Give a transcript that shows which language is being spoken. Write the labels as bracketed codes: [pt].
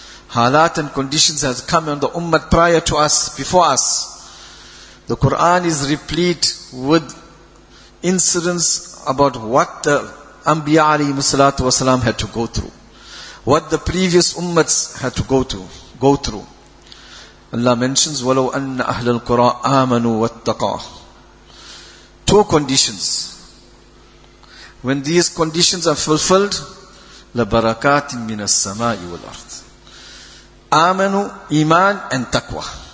[en] Halat and conditions had come on the Ummah prior to us, before us. The Quran is replete with incidents about what the Anbiya alayhi salatu wasalam had to go through. What the previous Ummahs had to go through. Allah mentions, [ar] وَلَوْ أَنَّ أَهْلَ الْقُرَىٰ آمَنُوا وَاتَّقَىٰ. [en] Two conditions. When these conditions are fulfilled, [ar] لَبَرَكَاتٍ مِنَ السَّمَاءِ وَالْأَرْضِ. آمَنُوا, إِيمَان [en] and [ar] تَقْوَى.